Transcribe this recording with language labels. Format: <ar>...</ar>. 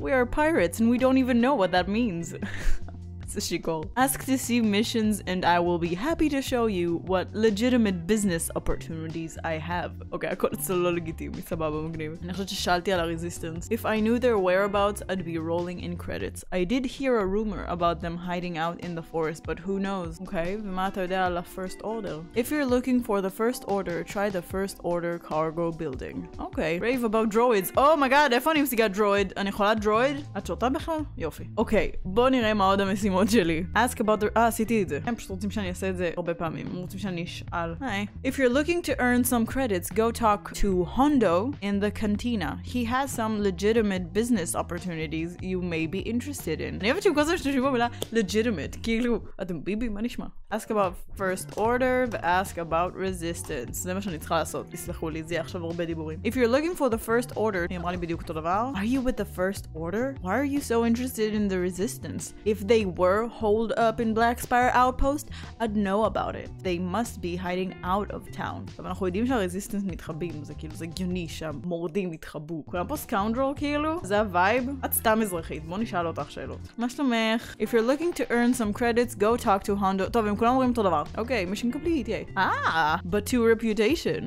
<en>We are pirates and we don't even know what that means.</en> <he>זה שיקור.</he> <en>Ask to see missions and I will be happy to show you what legitimate business opportunities I have.</en> <he>אוקיי, הכל אצלו לא לגיטימי, סבבה, מגניב. אני חושבת ששאלתי על הרזיסטנס.</he> <en>If I knew their whereabouts, I'd be rolling in credits. I did hear a rumor about them hiding out in the forest, but who knows?</en> <he>אוקיי, ומה אתה יודע על ה-first order?</he> <en>If you're looking for the first order, try the first order cargo building. אוקיי, rave about droids.</en> <he>Oh my god, איפה אני משיגה droid? אני יכולה droid? את שותה בכלל? יופי. אוקיי, בוא נראה מה עוד המשימה. עוד שלי.</he> <en>Ask about the...</en> <he>עשיתי את זה. הם פשוט רוצים שאני אעשה את זה הרבה פעמים. הם רוצים שאני אשאל. היי.</he> <en>If you're looking to earn some credits, go talk to Hondo in the cantina. He has some legitimate business opportunities you may be interested in.</en> <he>אני אוהבת שם כל זה שתשיבו במילה legitimate. כאילו, אתם ביבי, מה נשמע?</he> <en>Ask about first order ו-ask about resistance.</en> <he>זה מה שאני צריכה לעשות. תסלחו לי, זה יהיה עכשיו הרבה דיבורים.</he> <en>If you're looking for the first order,</en> <he>היא אמרה לי בדיוק אותו דבר.</he> <en>Are you with the first order? Why are you so interested in the resistance? If they were holed up in Black Spire Outpost, I'd know about it. They must be hiding out of town.</en> <he>אבל אנחנו יודעים שהרזיסטנס מתחבאים, זה כאילו, זה גיוני שהמורדים מתחבאו. כולם פה סקאונדרל כאילו? זה הווייב? את סתם אזרחית, בוא נשאל אותך שאלות. מה שלומך?</he> <en>If you're looking to earn some credits, go talk to Hondo.</en> <he>טוב, הם כולם אומרים אותו דבר.</he> <en>אוקיי, mission complete, yay. Batu reputation.</en>